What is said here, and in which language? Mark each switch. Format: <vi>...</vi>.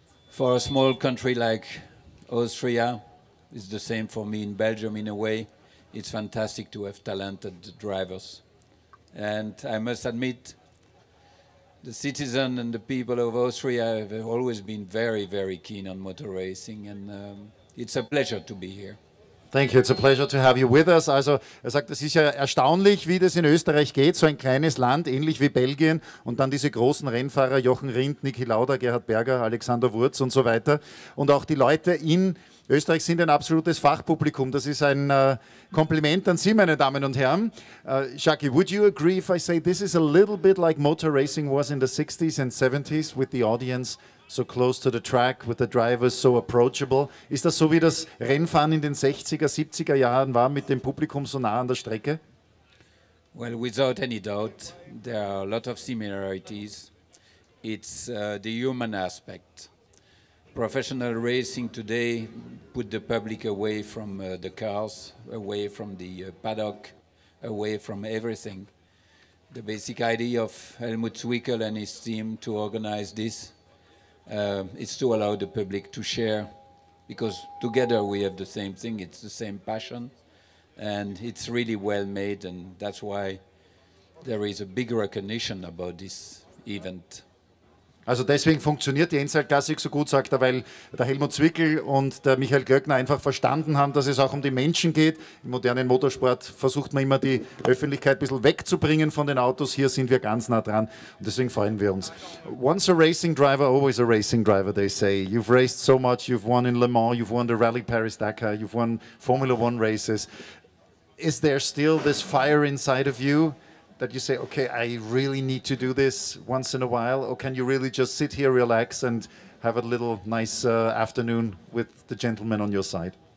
<en>For a small country like Austria, it's the same for me in Belgium in a way, it's fantastic to have talented drivers. And I must admit, the citizens and the people of Austria have always been very, very keen on motor racing. And it's a pleasure to be here. Thank you, it's a pleasure to have you with us.</en> <de>Also, er sagt, es ist ja erstaunlich, wie das in Österreich geht, so ein kleines Land, ähnlich wie Belgien, und dann diese großen Rennfahrer, Jochen Rindt, Niki Lauda, Gerhard Berger, Alexander Wurz und so weiter. Und auch die Leute in Österreich sind ein absolutes Fachpublikum. Das ist ein Kompliment an Sie, meine Damen und Herren.</de> <en>Jacky, would you agree if I say this is a little bit like motor racing was in the 60s and 70s with the audience so close to the track, with the drivers so approachable?</en> <de>Ist das so, wie das Rennfahren in den 60er, 70er Jahren war, mit dem Publikum so nah an der Strecke?</de> <en>Well, without any doubt, there are a lot of similarities. It's the human aspect. Professional racing today put the public away from the cars, away from the paddock, away from everything. The basic idea of Helmut Zwickel and his team to organize this, it's to allow the public to share, because together we have the same thing, it's the same passion, and it's really well made, and that's why there is a big recognition about this event.</en> <de>Also deswegen funktioniert die Enzel Classic so gut, sagt er, weil der Helmut Zwickel und der Michael Glöckner einfach verstanden haben, dass es auch um die Menschen geht. Im modernen Motorsport versucht man immer, die Öffentlichkeit ein bisschen wegzubringen von den Autos. Hier sind wir ganz nah dran und deswegen freuen wir uns.</de> <en>Once a racing driver, always a racing driver, they say. You've raced so much, you've won in Le Mans, you've won the Rally Paris-Dakar, you've won Formula One races. Is there still this fire inside of you that you say, okay, I really need to do this once in a while? Or can you really just sit here, relax, and have a little nice afternoon with the gentleman on your side?</en>